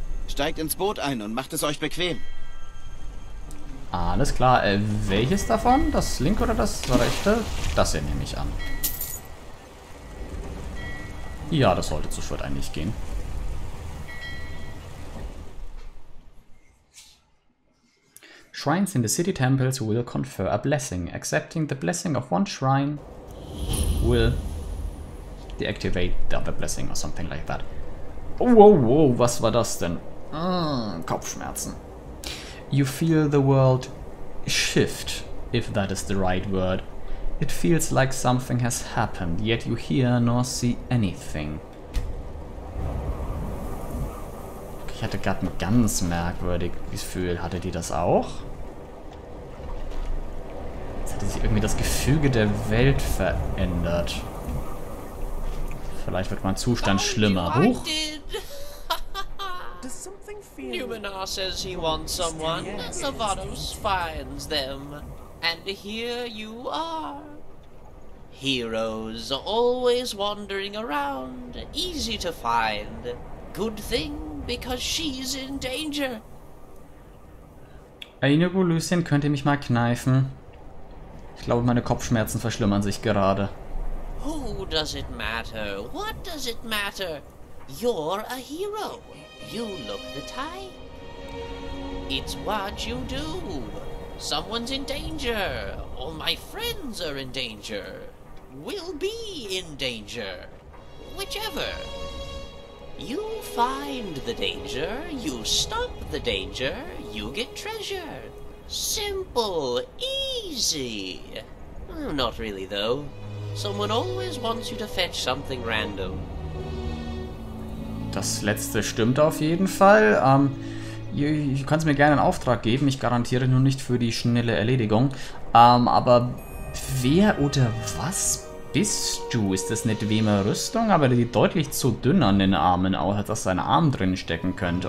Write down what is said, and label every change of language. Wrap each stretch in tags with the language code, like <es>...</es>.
<de>Steigt ins Boot ein und macht es euch bequem. Alles klar. Welches davon? Das linke oder das rechte? Das hier nehme ich an. Ja, das sollte zu viert eigentlich gehen.</de> <en>Shrines in the city temples will confer a blessing. Accepting the blessing of one shrine will deactivate the other blessing or something like that.</en> <de>Oh, wow, wow, was war das denn? Kopfschmerzen.</de> <en>You feel the world shift, if that is the right word. It feels like something has happened, yet you hear nor see anything.</en> <de>Ich hatte gerade ein ganz merkwürdiges Gefühl. Hattet ihr das auch? Jetzt hatte sich irgendwie das Gefüge der Welt verändert. Vielleicht wird mein Zustand schlimmer. Huch!</de> <en>Numenor says he wants someone, and Novatos finds them. And here you are. Heroes always wandering around, easy to find. Good thing, because she's in danger.</en> <de>Einigo Lucien könnte mich mal kneifen. Ich glaube, meine Kopfschmerzen verschlimmern sich gerade.</de> <en>Who does it matter? What does it matter? You're a hero. You look the type. It's what you do. Someone's in danger. All my friends are in danger. Will be in danger. Whichever. You find the danger. You stop the danger. You get treasure. Simple. Easy. Not really, though. Someone always wants you to fetch something random.</en> <de>Das letzte stimmt auf jeden Fall. Du kannst mir gerne einen Auftrag geben. Ich garantiere nur nicht für die schnelle Erledigung. Aber wer oder was bist du? Ist das nicht Wemer Rüstung? Aber die deutlich zu dünn an den Armen aus, als dass sein Arm drin stecken könnte.</de>